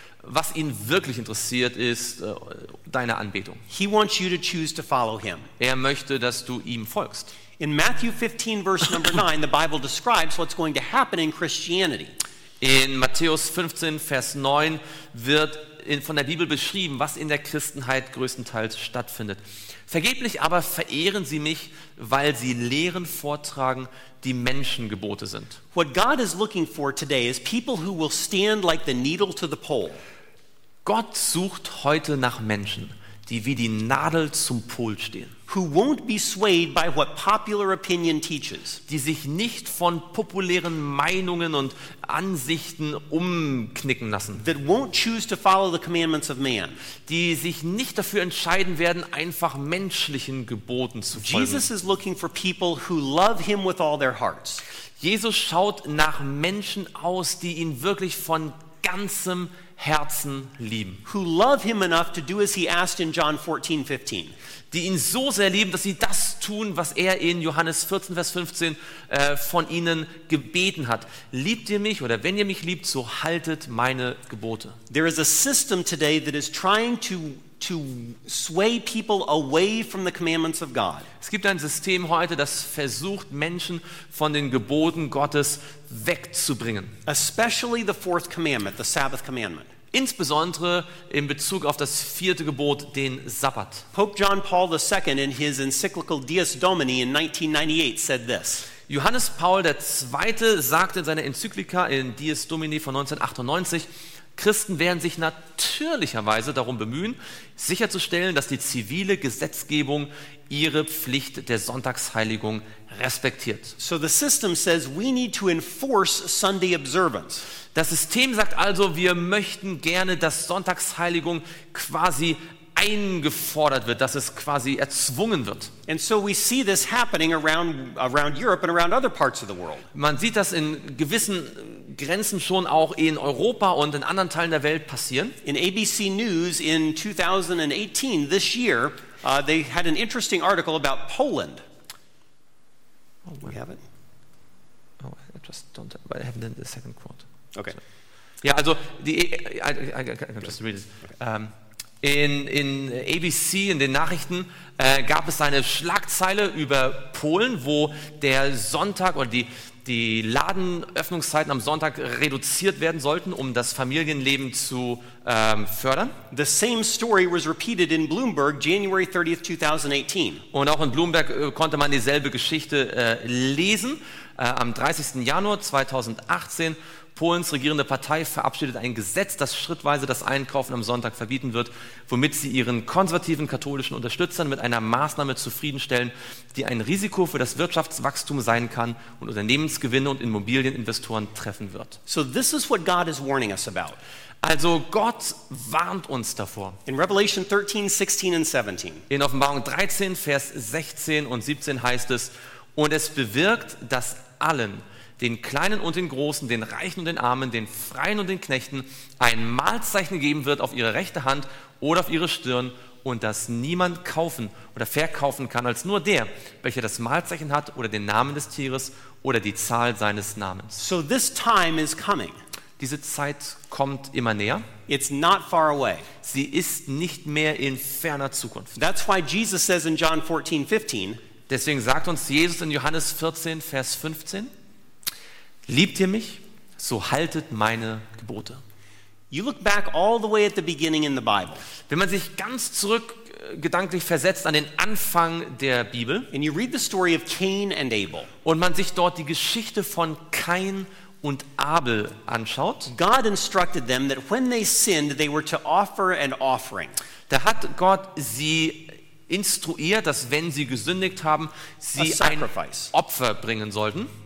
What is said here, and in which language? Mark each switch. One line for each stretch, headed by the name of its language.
German: Was ihn wirklich interessiert, ist deine Anbetung.
English: He wants you to choose to follow him.
German: Er möchte, dass du ihm folgst.
English: In Matthew 15, verse number 9, the Bible describes what's going to happen in Christianity.
German: In Matthäus 15, Vers 9, wird von der Bibel beschrieben, was in der Christenheit größtenteils stattfindet. Vergeblich aber verehren sie mich, weil sie Lehren vortragen, die Menschengebote sind.
English: What God is looking for today is people who will stand like the needle to the pole.
German: Gott sucht heute nach Menschen, die wie die Nadel zum Pol stehen.
English: Who won't be swayed by what popular opinion teaches.
German: Die sich nicht von populären Meinungen und Ansichten umknicken lassen.
English: That won't choose to follow the commandments of man.
German: Die sich nicht dafür entscheiden werden, einfach menschlichen Geboten zu folgen.
English: Jesus is looking for people who love him with all their hearts.
German: Jesus schaut nach Menschen aus, die ihn wirklich von ganzem Herzen lieben.
English: Who love him enough to do as he asked in John 14:15.
German: Die ihn so sehr lieben, dass sie das tun, was er in Johannes 14, Vers 15 von ihnen gebeten hat. Liebt ihr mich, oder wenn ihr mich liebt, so haltet meine Gebote.
English: There is a system today that is trying to sway people away from the commandments of God.
German: Es gibt ein System heute, das versucht, Menschen von den Geboten Gottes wegzubringen.
English: Especially the fourth commandment, the Sabbath commandment.
German: Insbesondere in Bezug auf das vierte Gebot, den Sabbat.
English: Pope John Paul II in his encyclical Dies Domini in 1998 said this.
German: Johannes Paul II. Sagte in seiner Enzyklika in Dies Domini von 1998, Christen werden sich natürlicherweise darum bemühen, sicherzustellen, dass die zivile Gesetzgebung ihre Pflicht der Sonntagsheiligung respektiert.
English: So the system says we need to enforce Sunday observance.
German: Das System sagt also, wir möchten gerne, dass Sonntagsheiligung quasi eingefordert wird, dass es quasi erzwungen wird.
English: And so we see this happening around Europe and around other parts of the world.
German: Man sieht das in gewissen Grenzen schon auch in Europa und in anderen Teilen der Welt passieren.
English: In ABC News in 2018, this year, they had an interesting article about Poland. Oh, we have it. just don't I have the second quote. Okay. So, yeah,
German: also die
English: I can just read it.
German: In ABC, in den Nachrichten, gab es eine Schlagzeile über Polen, wo der Sonntag oder die Ladenöffnungszeiten am Sonntag reduziert werden sollten, um das Familienleben zu fördern.
English: The same story was repeated in Bloomberg January 30th, 2018.
German: Und auch in Bloomberg konnte man dieselbe Geschichte lesen. Am 30. Januar 2018. Polens regierende Partei verabschiedet ein Gesetz, das schrittweise das Einkaufen am Sonntag verbieten wird, womit sie ihren konservativen katholischen Unterstützern mit einer Maßnahme zufriedenstellen, die ein Risiko für das Wirtschaftswachstum sein kann und Unternehmensgewinne und Immobilieninvestoren treffen wird.
English: So this is what God is warning us about.
German: Also Gott warnt uns davor.
English: In Revelation 13, 16 and 17.
German: In Offenbarung 13, Vers 16 und 17 heißt es, und es bewirkt, dass allen, den Kleinen und den Großen, den Reichen und den Armen, den Freien und den Knechten, ein Mahlzeichen geben wird auf ihre rechte Hand oder auf ihre Stirn und dass niemand kaufen oder verkaufen kann als nur der, welcher das Mahlzeichen hat oder den Namen des Tieres oder die Zahl seines Namens.
English: So this time is coming.
German: Diese Zeit kommt immer näher.
English: It's not far away.
German: Sie ist nicht mehr in ferner Zukunft.
English: That's why Jesus says in John 14, 15,
German: deswegen sagt uns Jesus in Johannes 14, Vers 15, liebt ihr mich, so haltet meine Gebote.
English: You look back all the way at the beginning in the Bible.
German: Wenn man sich ganz zurück gedanklich versetzt an den Anfang der Bibel,
English: and you read the story of Cain and Abel,
German: und man sich dort die Geschichte von Kain und Abel anschaut,
English: God instructed them that when they sinned, they were to offer an offering.
German: Da hat Gott sie instruiert, dass wenn sie gesündigt haben, sie ein Opfer bringen sollten.